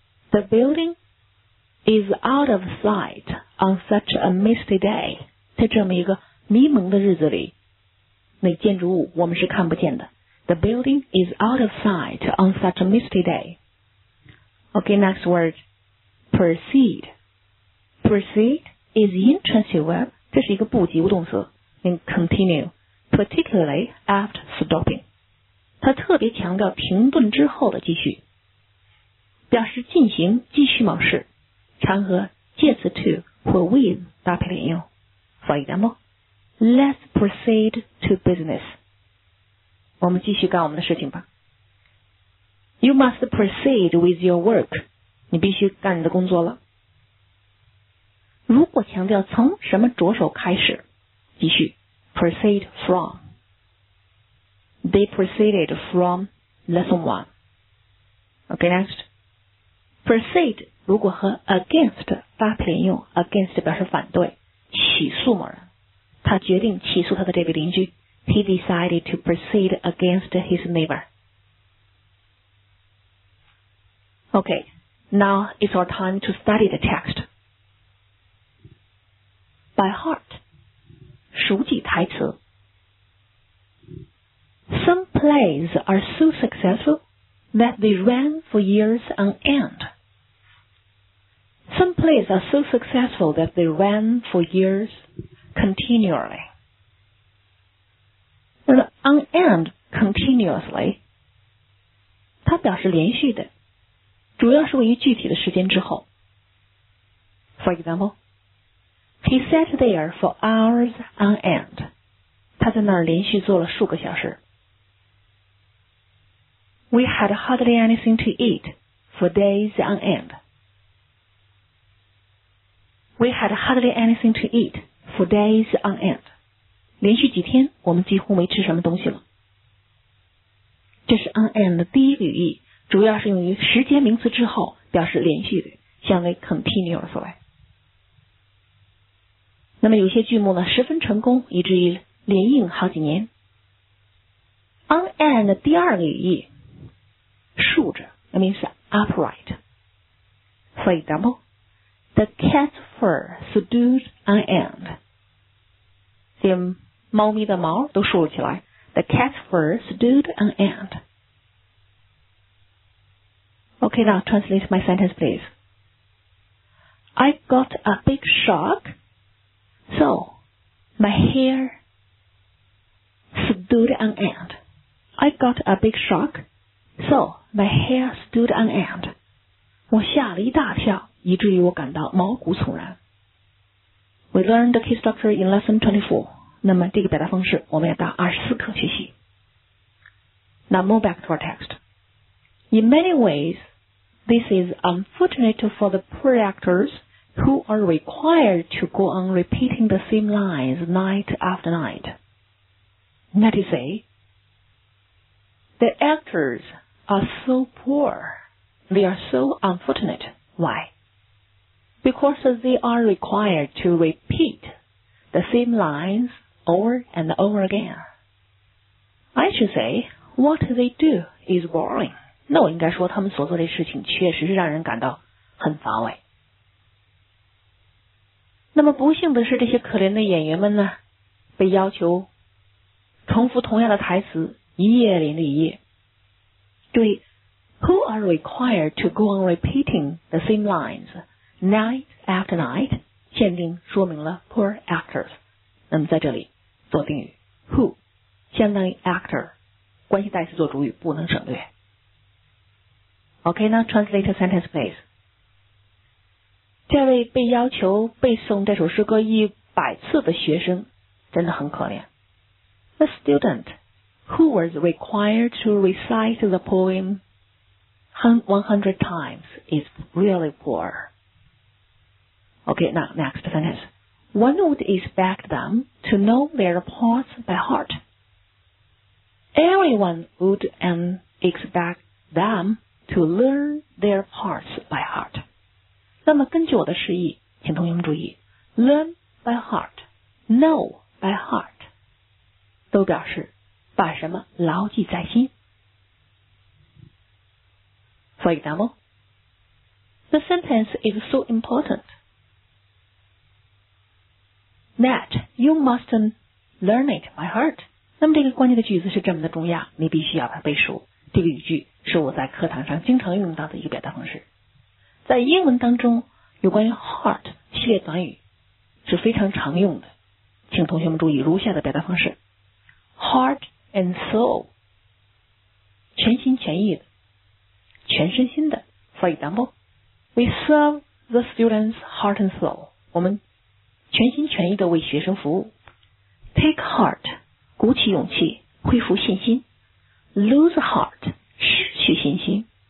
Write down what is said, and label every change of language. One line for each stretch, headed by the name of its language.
English: The building is out of sight on such a misty day.
Chinese: 在这么一个迷蒙的日子里，那建筑物我们是看不见的。
English: The building is out of sight on such a misty day. Okay, next word. Proceed. Proceed is intransitive verb.
Chinese: 这是一个不及物动词。
English: And continue. Particularly after stopping.
Chinese: 它特别强调停顿之后的继续。表示进行继续某事，常和介词 to 或 with 搭配连用。
English: For example, let's proceed to business.
Chinese: 我们继续干我们的事情吧。
English: You must proceed with your work.
Chinese: 你必须干你的工作了。如果强调从什么着手开始，继续 proceed from.
English: They proceeded from lesson one. Okay, next.
Chinese: Proceed 如果和 against 搭配连用 ，against 表示反对，起诉某人。他决定起诉他的这位邻居。
English: He decided to proceed against his neighbor. Okay, now it's our time to study the text. By heart,
Chinese: 熟记台词。
English: Some plays are so successful that they ran for years on end. Some plays are so successful that they ran for years continually. On end, continuously,
Chinese: 它表示连续的，主要是位于具体的时间之后。
English: For example, he sat there for hours on end.
Chinese: 他在那儿连续坐了数个小时。
English: We had hardly anything to eat for days on end. We had hardly anything to eat for days on end.
Chinese: 连续几天我们几乎没吃什么东西了。这是 on end 的第一个语义，主要是用于时间名词之后表示连续的，像为 continuously。那么有些剧目呢十分成功，以至于连映好几年。 On end 的第二个语义，竖着 ,
English: that means upright. For example,The cat's fur stood on end.
Chinese: 这猫咪的毛都竖了起来。
English: The cat's fur stood on end. Okay, now translate my sentence, please. I got a big shock, so my hair stood on end. I got a big shock, so my hair stood on end.
Chinese: 我吓了一大跳。以至于我感到毛骨悚然。
English: We learned the key structure in lesson 24.
Chinese: 那么这个表达方式我们要到24课学习。
English: Now move back to our text. In many ways, this is unfortunate for the poor actors who are required to go on repeating the same lines night after night. That is say, the actors are so poor. They are so unfortunate. Why? Because they are required to repeat the same lines over and over again. I should say, what they do is boring.
Chinese: 那我应该说他们所做的事情确实是让人感到很乏味。那么不幸的是这些可怜的演员们呢被要求重复同样的台词一夜连着一夜。对
English: who are required to go on repeating the same lines? Night after night,
Chinese: 限定说明了
English: poor actors.
Chinese: 那么在这里做定语 who, 相当于 actor, 关系代词做主语不能省略。
English: OK, now translate the sentence, please.
Chinese: 这位被要求背诵这首诗歌100次的学生真的很可怜。
English: The student who was required to recite the poem 100 times is really poor. Okay, now next sentence. One would expect them to know their parts by heart. Everyone would expect them to learn their parts by heart.
Chinese: 那么根据我的示意，请同学们注意 ，
English: learn by heart, know by heart，
Chinese: 都表示把什么牢记在心。
English: For example, the The sentence is so important that you must learn it by heart.
Chinese: 那么这个关键的句子是这么的重要，你必须要把它背熟。这个语句是我在课堂上经常用到的一个表达方式。在英文当中，有关于 heart 系列短语是非常常用的，请同学们注意如下的表达方式： heart and soul， 全心全意的，全身心的。
English: For example， we serve the students heart and soul，
Chinese: 我们全心全意的为学生服务。 take heart， 鼓起勇气，恢复信心。 lose heart， 失去信心。